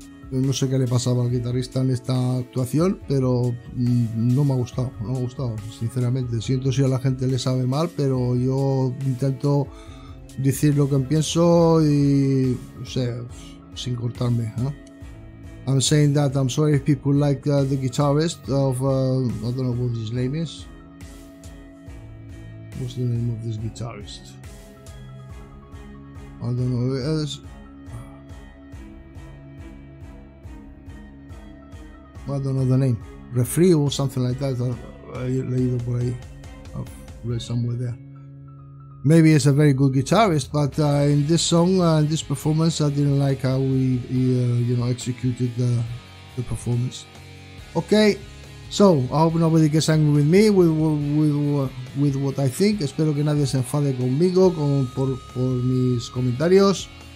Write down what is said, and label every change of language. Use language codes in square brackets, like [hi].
[es] No sé qué le pasaba al guitarrista en esta actuación, pero no me ha gustado, no me ha gustado, sinceramente. Siento si a la gente le sabe mal, pero yo intento decir lo que pienso y, o sea, sin cortarme, ¿eh? [en] I'm saying that I'm sorry if people like the guitarist of, I don't know what his name is. What's the name of this guitarist? I don't know who it is. I don't know the name. Refree or something like that. I laid it away. I've read somewhere there. Maybe he's a very good guitarist, but in this song, in this performance, I didn't like how he executed the performance. Okay, so I hope nobody gets angry with me with what I think. [es] Espero que nadie se enfade conmigo por mis comentarios.